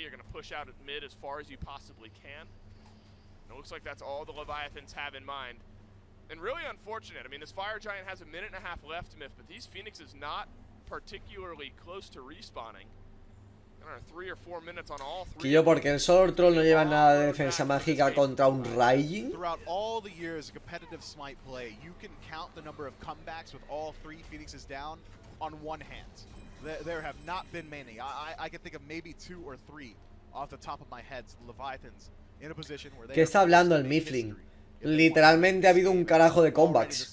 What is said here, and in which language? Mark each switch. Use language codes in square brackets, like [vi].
[en] You're going to push out at mid as far as you possibly can. It looks like that's all the Leviathans have in mind. And really unfortunate. I mean, this fire giant has a minute and a half left, Myth, but these Phoenixes not particularly close to respawning. I don't know, 3 or 4 minutes on all three. [es] Tío, ¿por qué el Solar Troll no lleva nada de defensa mágica contra un Raging? [en] Throughout all the years of competitive smite play, you can count the number of comebacks with all three Phoenixes down on one hand. There have not been many. I can think of maybe 2 or 3 off the top of my head. So Leviathans. [es] ¿Qué está hablando el Mifflin? Literalmente ha habido un carajo de comebacks.